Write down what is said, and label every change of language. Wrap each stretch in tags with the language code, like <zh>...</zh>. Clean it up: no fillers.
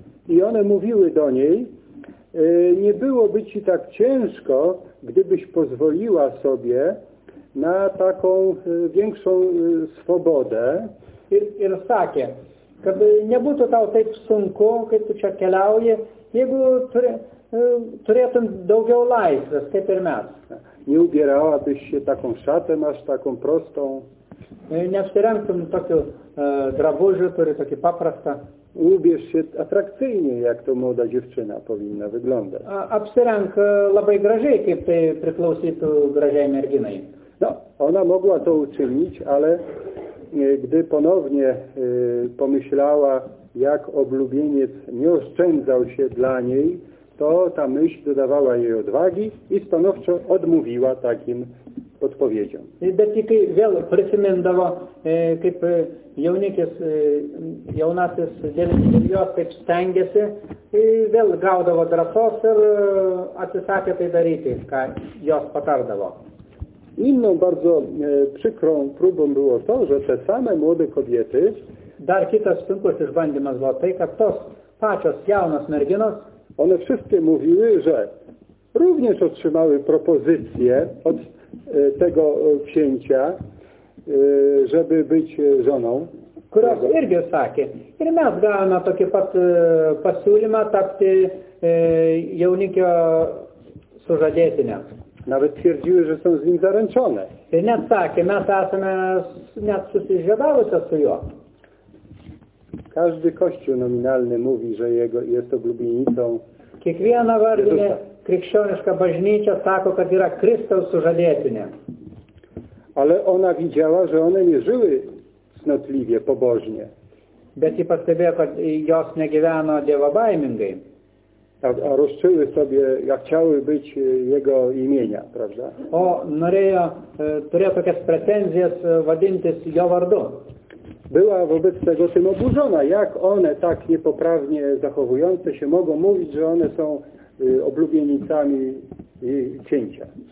<pl>I one mówiły do niej, nie byłoby ci tak ciężko, gdybyś pozwoliła sobie na taką większą swobodę.</pl> <lt>Ir sakė, kad nebūtų tau taip sunku, kaip tu čia keliauji, jeigu turėtum daugiau laisvės, kaip ir mes.</lt> <pl>Nie ubierałabyś się taką szatę, masz taką prostą.</pl> <lt>Nie apsirengtum tokiu drabužiu,</lt> <pl>który</pl> <lt>taki paprasta.</lt> <pl>Ubierz się atrakcyjnie, jak to młoda dziewczyna powinna wyglądać.</pl> <lt>Apsirenk labai gražiai, kaip tai priklausytų gražiai merginai.</lt> <pl>No, ona mogła to uczynić, ale gdy ponownie pomyślała, jak oblubieniec nie oszczędzał się dla niej, to ta myśl dodawała jej odwagi i stanowczo odmówiła takim podpowiedziom.</pl> <lt>Bet i kai vėl prisimindavo, kaip jaunikis, jaunasis dėlis, kaip stengiasi, vėl gaudavo drąsos ir atsisakė tai daryti, ką jos patardavo.</lt> <pl>Inną bardzo przykrą próbą było to, że te same młode kobiety.</pl> <lt>Dar kitas sunkus išbandymas buvo tai, kad tos pačios jaunos merginos.</lt> <pl>One wszystkie mówiły, że również otrzymały propozycję od tego księcia, żeby być żoną.</pl> <lt>kurios irgi sakė. Ir mes gavome tokį pat pasiūlymą tapti jaunikio sužadėtinę.</lt> <pl>Nawet twierdziły, że są z nim zaręczone.</pl> <lt>Net tak, net esame net susižiedavusią su juo.</lt> <pl>Każdy kościół nominalny mówi, że jego jest oglubienicą.</pl> <lt>Kiekviena vardinė krikščioniška bažnyčia sako, kad yra Kristaus sužadėtinė.</lt> <pl>Ale ona widziała, że one nie żyły cnotliwie, pobożnie.</pl> <lt>Bet ji pastebėjo, kad jos negyveno dievobaimingai.</lt> <pl>A roszczyły sobie, jak chciały być jego imienia, prawda?</pl> <lt>O, norėjo, turėjo tokias pretenzijas vadintis jo vardu.</lt> <pl>Była wobec tego tym oburzona, jak one tak niepoprawnie zachowujące się mogą mówić, że one są oblubienicami księcia.</pl>